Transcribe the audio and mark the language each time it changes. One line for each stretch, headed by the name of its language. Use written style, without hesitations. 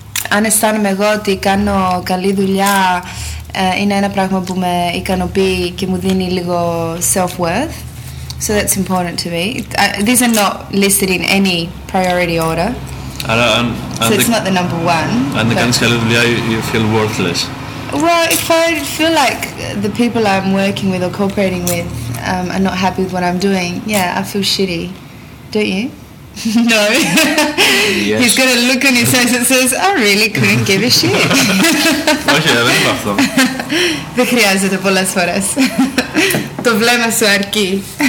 Greek: Αν αισθάνομαι εγώ ότι κάνω καλή δουλειά, είναι ένα πράγμα που με ικανοποιεί και μου δίνει λίγο self-worth.
English: So that's important to me. These are not listed in any priority order.
Greek: Άρα,
English: so it's not the number one.
Greek: Αν δεν κάνεις καλή δουλειά,
English: you feel worthless. Well, if I feel like the people I'm working with or cooperating with are not happy with what I'm doing, yeah, I feel shitty. Don't you? No. Yes. He's got a look on his face that says, I really couldn't give a shit.
Greek: Όχι, δεν είπα αυτό. Δεν χρειάζεται πολλές φορές. Το βλέμμα σου αρκεί.